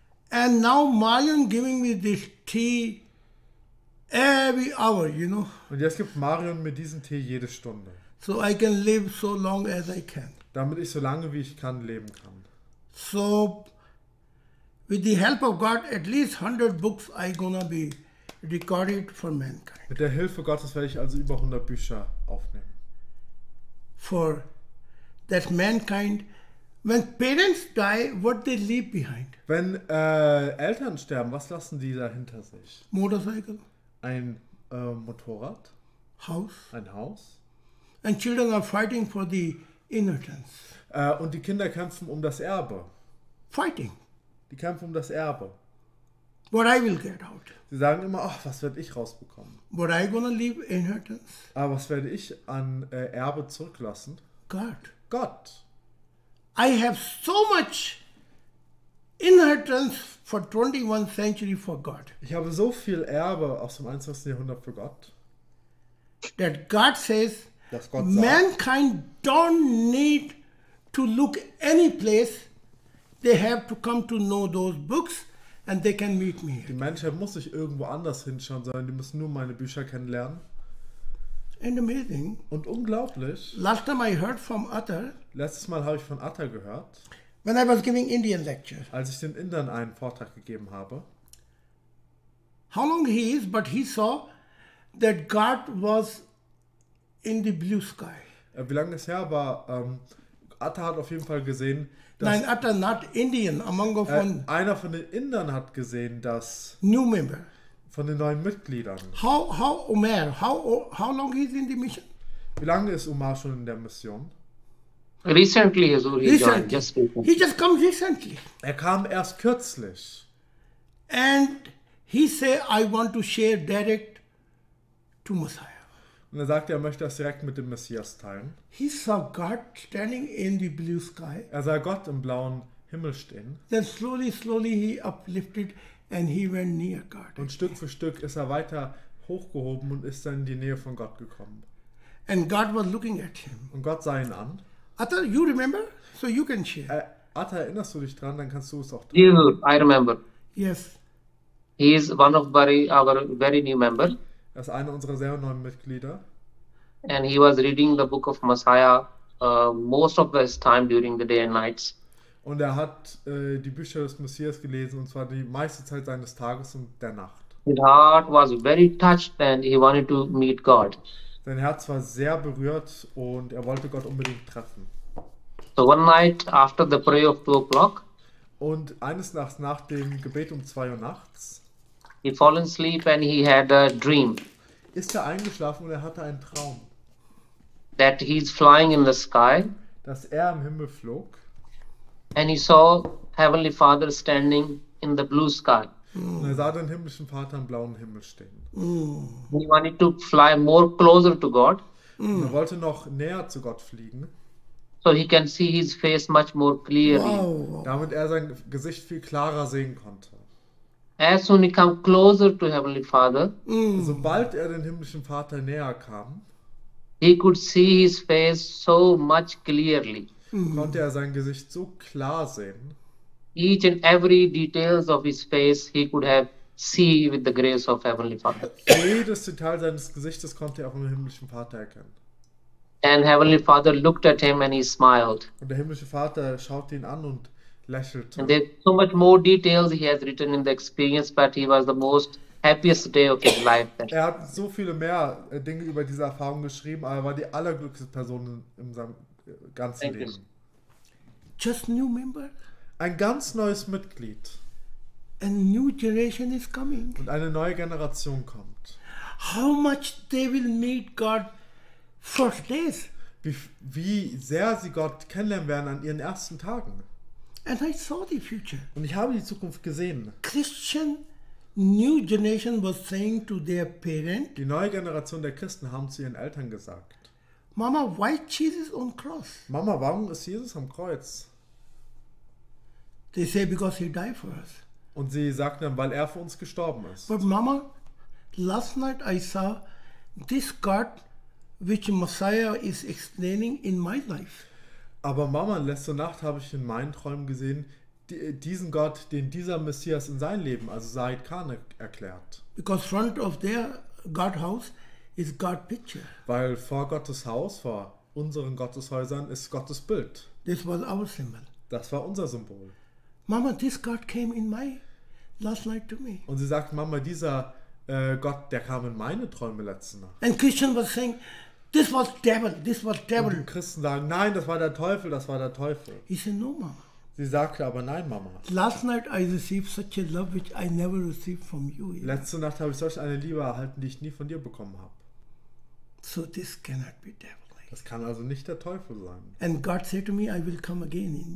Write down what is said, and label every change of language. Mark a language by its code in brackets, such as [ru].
[en] And now Marion giving me this tea every hour, you know. [de] Und jetzt gibt Marion mir diesen Tee jede Stunde. [en] So I can live so long as I can. [de] Damit ich so lange wie ich kann leben kann. [en] So, with the help of God, at least 100 books I gonna be recorded for mankind. [de] Mit der Hilfe Gottes werde ich also über 100 Bücher aufnehmen. [en] For that mankind, when parents die, what they leave behind? [de] Wenn Eltern sterben, was lassen die da hinter sich? [en] Motorcycle. [de] Ein Motorrad. Haus. Ein Haus. [en] And children are fighting for the inheritance. [de] Und die Kinder kämpfen um das Erbe. [en] Fighting. [de] Die kämpfen um das Erbe. [en] What I will get out. [de] Sie sagen immer, ach, was werde ich rausbekommen? [en] What I gonna leave inheritance? [de] Aber was werde ich an Erbe zurücklassen? [en] God. [de] Gott. [en] I have so much inheritance for 21st century for God. [de] Ich habe so viel Erbe aus dem 21. Jahrhundert für Gott. [en] That God says, [de] dass Gott [en] mankind [de] sagt, [en] don't need to look any place. They have to come to know those books and they can meet me. [de] Die Menschheit muss sich irgendwo anders hinschauen, sondern die müssen nur meine Bücher kennenlernen. [en] And amazing. [de] Und unglaublich. [en] Last time I heard from Atar. [de] Letztes Mal habe ich von Atar gehört. [en] When I was giving Indian lecture. [de] Als ich den Indern einen Vortrag gegeben habe. [en] How long he is, but he saw that God was in the blue sky. [de] Wie lange es her war, Atar hat auf jeden Fall gesehen, dass... Nein, [en] Atar, not Indian, among of one. [de] Einer von den Indern hat gesehen, dass... [en] New member. [de] Von den neuen Mitgliedern. [en] How Omar, how long is in the mission? [de] Wie lange ist Omar schon in der Mission? [en] Recently, so recently. He just come recently. [de] Er kam erst kürzlich. [en] And he say, I want to share direct to Messiah. [de] Und er sagte, er möchte das direkt mit dem Messias teilen. [en] He saw God standing in the blue sky. [de] Er sah Gott im blauen Himmel stehen. [en] Then slowly, slowly he uplifted. And he went near God. [de] Und Stück für Stück ist er weiter hochgehoben und ist dann in die Nähe von Gott gekommen. [en] And God was looking at him. [de] Und Gott sah ihn an. [en] Atta, you remember? So you can share. [de] Atta, erinnerst du dich dran? Dann kannst du es auch tun. [en] Yes, I remember. Yes. He is one of our very new member. [de] Er ist einer unserer sehr neuen Mitglieder. [en] And he was reading the book of Messiah most of his time during the day and nights. [de] Und er hat die Bücher des Messias gelesen, und zwar die meiste Zeit seines Tages und der Nacht. [en] His heart was very touched and he wanted to meet God. [de] Sein Herz war sehr berührt und er wollte Gott unbedingt treffen. [en] So one night after the prayer of 2 o'clock. [de] Und eines Nachts nach dem Gebet um 2 Uhr nachts. [en] He fell asleep and he had a dream. [de] Ist er eingeschlafen und er hatte einen Traum. [en] That he's flying in the sky. [de] Dass er im Himmel flog. [en] And he saw Heavenly Father standing in the blue sky. [de] Und er sah den himmlischen Vater im blauen Himmel stehen. [en] Mm. He wanted to fly more closer to God. [de] Und er wollte noch näher zu Gott fliegen. [en] So he can see his face much more clearly. Wow. [de] Damit er sein Gesicht viel klarer sehen konnte. [en] As soon he came closer to Heavenly Father. [de] Sobald er den himmlischen Vater näher kam. [en] He could see his face so much clearly. [de] Konnte er sein Gesicht so klar sehen. [en] Each and every details of his face he could have see with the grace of Heavenly Father. [de] Jedes Detail seines Gesichtes konnte er auch vom himmlischen Vater erkennen. [en] And Heavenly Father looked at him and he smiled. [de] Und der himmlische Vater schaute ihn an und lächelte. [en] And there's so much more details he has written in the experience, but he was the most happiest day of his life. [de] Er hat so viele mehr Dinge über diese Erfahrung geschrieben, aber er war die allerglücklichste Person in seinem ganz Leben. [en] Just new member. [de] Ein ganz neues Mitglied. [en] A new generation is coming. [de] Und eine neue Generation kommt. [en] How much they will meet God first days. [de] Wie sehr sie Gott kennenlernen werden an ihren ersten Tagen. [en] And I saw the future. [de] Und ich habe die Zukunft gesehen. [en] Christian new generation was saying to their parent, [de] die neue Generation der Christen haben zu ihren Eltern gesagt, [en] Mama, why Jesus on cross? [de] Mama, warum ist Jesus am Kreuz? [en] They say because he died for us. [de] Und sie sagten dann, weil er für uns gestorben ist. [en] But Mama, last night I saw this God which Messiah is explaining in my life. [de] Aber Mama, letzte Nacht habe ich in meinen Träumen gesehen, diesen Gott, den dieser Messias in sein Leben, also Zahid Khan, erklärt. [en] Because front of their God house is God picture. [de] Weil vor Gottes Haus, vor unseren Gotteshäusern, ist Gottes Bild. [en] This was our symbol. [de] Das war unser Symbol. [en] Mama, this God came in my last night to me. [de] Und sie sagt, Mama, dieser Gott, der kam in meine Träume letzte Nacht. [en] And Christian was saying, this was devil, this was devil. [de] Und die Christen sagen, nein, das war der Teufel, das war der Teufel. [en] He said, no, Mama. [de] Sie sagte aber, nein, Mama. [en] Last night I received such a love which I never received from you. Either. [de] Letzte Nacht habe ich solch eine Liebe erhalten, die ich nie von dir bekommen habe. [en] So this cannot be devil. [de] Das kann also nicht der Teufel sein. [en] And God said to me, I will come again.